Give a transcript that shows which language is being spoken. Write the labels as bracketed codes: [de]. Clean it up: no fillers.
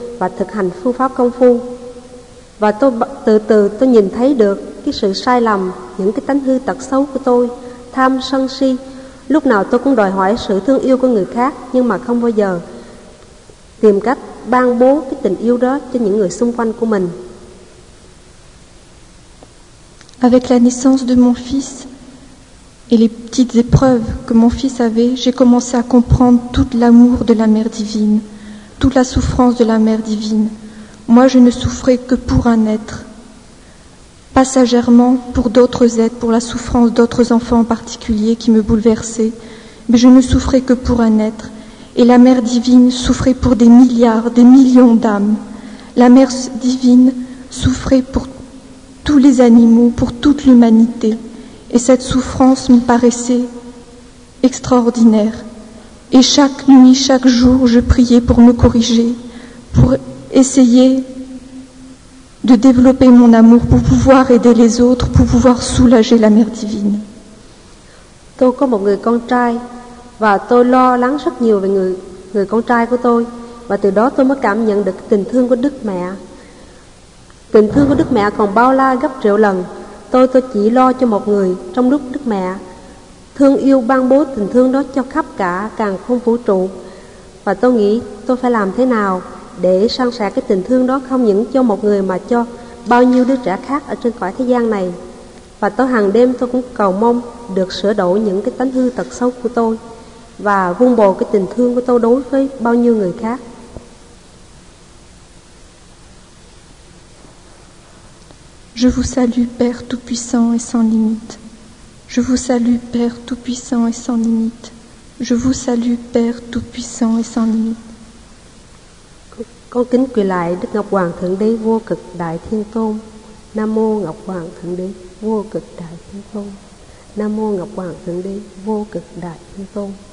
[vi] và thực hành phương pháp công phu. Và tôi từ từ tôi nhìn thấy được cái sự sai lầm, những cái tánh hư tật xấu của tôi, tham sân si. Lúc nào tôi cũng đòi hỏi sự thương yêu của người khác, nhưng mà không bao giờ tìm cách ban bố cái tình yêu đó cho những người xung quanh của mình. [fr] Avec la naissance de mon fils et les petites épreuves que mon fils avait, j'ai commencé à comprendre tout l'amour de la mère divine, toute la souffrance de la mère divine. Moi, je ne souffrais que pour un être, passagèrement pour d'autres êtres, pour la souffrance d'autres enfants en particulier qui me bouleversaient, mais je ne souffrais que pour un être. Et la mère divine souffrait pour des milliards, des millions d'âmes. La mère divine souffrait pour tous les animaux, pour toute l'humanité. Et cette souffrance me paraissait extraordinaire. Et chaque nuit, chaque jour, je priais pour me corriger, pour essayer de développer mon amour, pour pouvoir aider les autres, pour pouvoir soulager la mère divine. [vi] Tôi có một người con trai, và tôi lo lắng rất nhiều về người con trai của tôi, và từ đó tôi mới cảm nhận được tình thương của Đức Mẹ. Tình thương của Đức Mẹ còn bao la gấp triệu lần. Tôi chỉ lo cho một người, trong lúc Đức Mẹ thương yêu ban bố tình thương đó cho khắp cả càn khôn vũ trụ. Và tôi nghĩ tôi phải làm thế nào để san sẻ cái tình thương đó không những cho một người mà cho bao nhiêu đứa trẻ khác ở trên cõi thế gian này. Và tôi hàng đêm tôi cũng cầu mong được sửa đổi những cái tánh hư tật xấu của tôi và vung bồi cái tình thương của tôi đối với bao nhiêu người khác. [fr] Je vous salue, Père Tout-Puissant et sans limite. Je vous salue, Père Tout-Puissant et sans limite. Je vous salue, Père Tout-Puissant et sans limite. [vi] Con kính quỳ lại Đức Ngọc Hoàng Thượng Đế Vô Cực Đại Thiên Tôn. Nam mô Ngọc Hoàng Thượng Đế Vô Cực Đại Thiên Tôn. Nam mô Ngọc Hoàng Thượng Đế Vô Cực Đại Thiên Tôn.